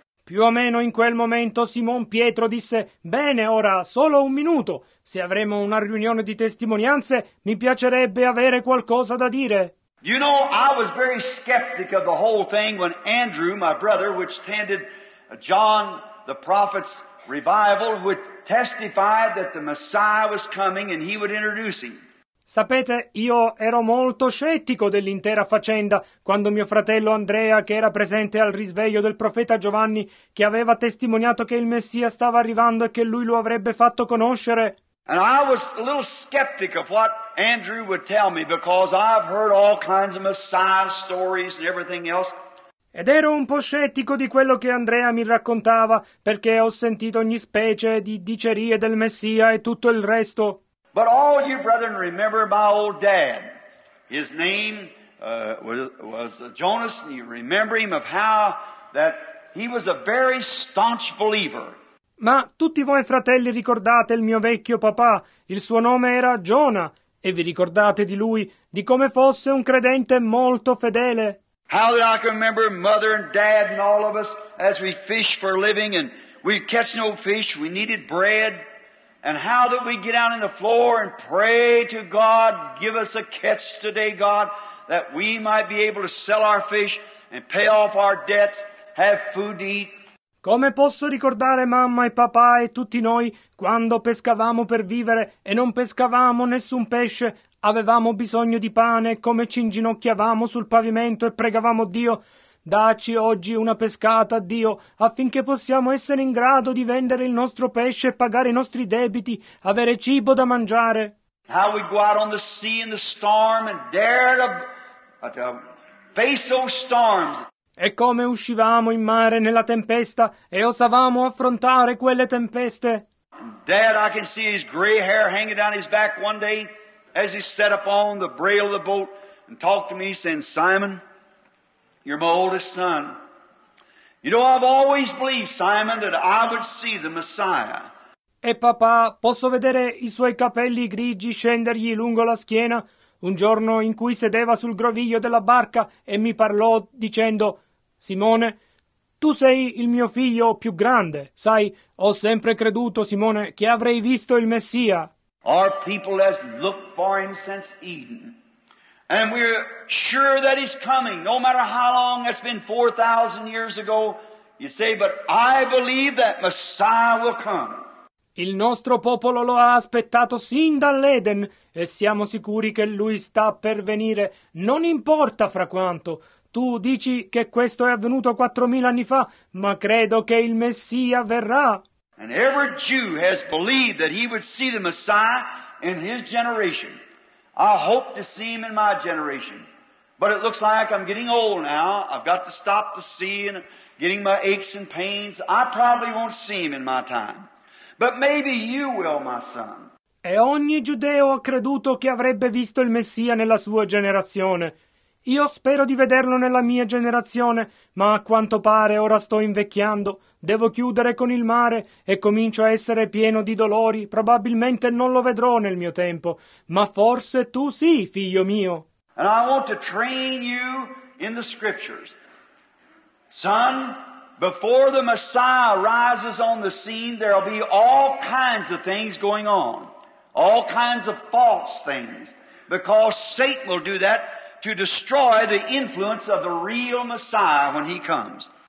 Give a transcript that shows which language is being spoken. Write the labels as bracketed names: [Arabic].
[Italian] Più o meno in quel momento Simon Pietro disse: "Bene, ora solo un minuto. Se avremo una riunione di testimonianze, mi piacerebbe avere qualcosa da dire." [English] You know, I was very skeptic of the whole thing when Andrew, my brother, which attended John the prophet's revival, would testify that the Messiah was coming and he would introduce him. [Italian] Sapete, io ero molto scettico dell'intera faccenda quando mio fratello Andrea, che era presente al risveglio del profeta Giovanni, che aveva testimoniato che il Messia stava arrivando e che lui lo avrebbe fatto conoscere. [English] And I was a little skeptic of what Andrew would tell me because I've heard all kinds of Messiah stories and everything else. [Italian] Ed ero un po' scettico di quello che Andrea mi raccontava perché ho sentito ogni specie di dicerie del Messia e tutto il resto. [English] But all you brethren remember my old dad. His name was Jonas, and you remember him of how that he was a very staunch believer. [Italian] Ma tutti voi fratelli ricordate il mio vecchio papà, il suo nome era Giona, e vi ricordate di lui, di come fosse un credente molto fedele. [English] How that I can remember mother and dad and all of us as we fish for a living and we catch no fish, we needed bread. And how that we get out on the floor and pray to God, give us a catch today, God, that we might be able to sell our fish and pay off our debts, have food to eat. [Italian] Come posso ricordare mamma e papà e tutti noi quando pescavamo per vivere e non pescavamo nessun pesce, avevamo bisogno di pane, come ci inginocchiavamo sul pavimento e pregavamo Dio, dacci oggi una pescata, Dio, affinché possiamo essere in grado di vendere il nostro pesce e pagare i nostri debiti, avere cibo da mangiare. [English] How we go out on the sea in the storm and dare to face those storms. [Italian] E come uscivamo in mare nella tempesta e osavamo affrontare quelle tempeste. [English] Dad, I can see his gray hair hanging down his back one day as he sat upon the rail of the boat and talked to me, saying, "Simon, you're my oldest son. You know, I've always believed, Simon, that I would see the Messiah." [Italian] E papà, posso vedere i suoi capelli grigi scendergli lungo la schiena? Un giorno in cui sedeva sul groviglio della barca e mi parlò dicendo: "Simone, tu sei il mio figlio più grande. Sai, ho sempre creduto, Simone, che avrei visto il Messia." [English] Our people have looked for him since Eden. And we're sure that he's coming, no matter how long it's been, 4,000 years ago. You say, but I believe that Messiah will come. [Italian] Il nostro popolo lo ha aspettato sin dall'Eden e siamo sicuri che lui sta per venire. Non importa fra quanto. Tu dici che questo è avvenuto 4,000 anni fa, ma credo che il Messia verrà. [English] And every Jew has believed that he would see the Messiah in his generation. I hope to see him in my generation. But it looks like I'm getting old now. I've got to stop to see and getting my aches and pains. I probably won't see him in my time. But maybe you will, my son. [Italian] E ogni giudeo ha creduto che avrebbe visto il Messia nella sua generazione. Io spero di vederlo nella mia generazione, ma a quanto pare ora sto invecchiando. Devo chiudere con il mare e comincio a essere pieno di dolori. Probabilmente non lo vedrò nel mio tempo, ma forse tu sì, figlio mio. [English] And I want to train you in the scriptures. Son, before the Messiah rises on the scene, there will be all kinds of things going on, all kinds of false things, because Satan will do that to destroy the influence of the real Messiah when he comes.